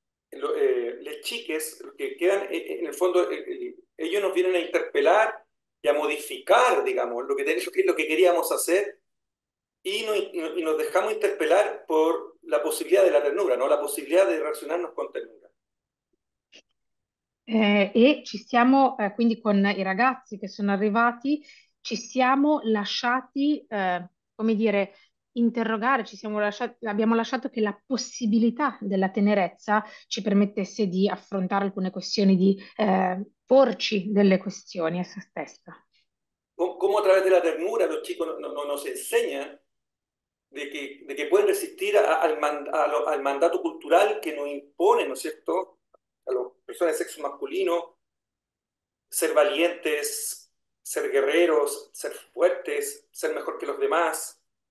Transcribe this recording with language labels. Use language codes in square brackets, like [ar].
[es] Le chiques que quedan en el fondo, ellos nos vienen a interpelar y a modificar, digamos, lo que queríamos hacer y nos dejamos interpelar por la posibilidad de la ternura, ¿no? La posibilidad de relacionarnos con ternura. [it] E ci siamo quindi con i ragazzi che sono arrivati, ci siamo lasciati, come dire, interrogare, abbiamo lasciato che la possibilità della tenerezza ci permettesse di affrontare alcune questioni, di porci delle questioni a se stessa. [es] Cómo a través de la ternura los chicos nos enseñan de que pueden resistir al mandato cultural que nos impone, ¿no es cierto?, a las personas de sexo masculino, ser valientes, ser guerreros, ser fuertes, ser mejor que los demás.